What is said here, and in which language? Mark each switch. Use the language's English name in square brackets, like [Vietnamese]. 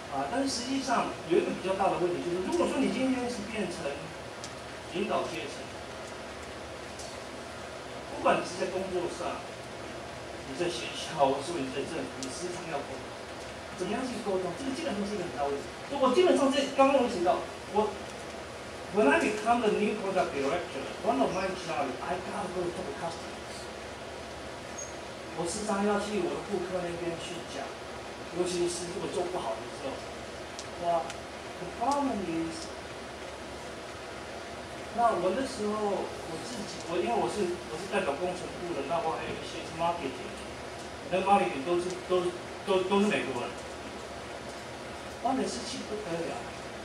[Chinese] 但是实际上有一个比较大的问题，就是如果说你今天是变成领导阶层，不管你是在工作上，你在学校，或是你在政府，你时常要沟通，怎么样去沟通，这个基本上是一个很大问题。我基本上在刚刚我提到我。 [English] When I become the new product director, one of my challenges, I gotta go to the customers. [Chinese] 我时常要去我的顾客那边去讲，尤其是如果做不好的时候。哇 ， [English] the problem is， [Chinese] 那我那时候我自己，我因为我是代表工程部的，那我还有一些是 marketing， 那 marketing 都是美国人，哇，那事情不得了。